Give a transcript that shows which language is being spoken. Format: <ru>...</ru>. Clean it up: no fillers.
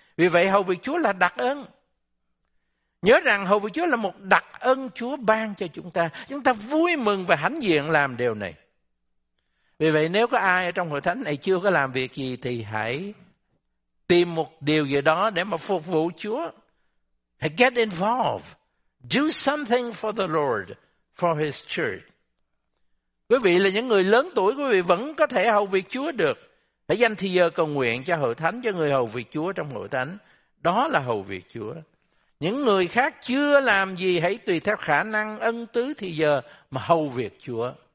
<vi>Vì vậy hầu việc Chúa là đặc ân. Nhớ rằng hầu việc Chúa là một đặc ân Chúa ban cho chúng ta. Chúng ta vui mừng và hãnh diện làm điều này. Vì vậy nếu có ai ở trong hội thánh này chưa có làm việc gì thì hãy tìm một điều gì đó để mà phục vụ Chúa. Hãy</vi> <en>get involved. Do something for the Lord, for his church.</en> <vi>Quý vị là những người lớn tuổi, quý vị vẫn có thể hầu việc Chúa được. Hãy dành thời giờ cầu nguyện cho hội thánh, cho người hầu việc Chúa trong hội thánh. Đó là hầu việc Chúa. Những người khác chưa làm gì, hãy tùy theo khả năng, ân tứ thời giờ mà hầu việc Chúa.</vi>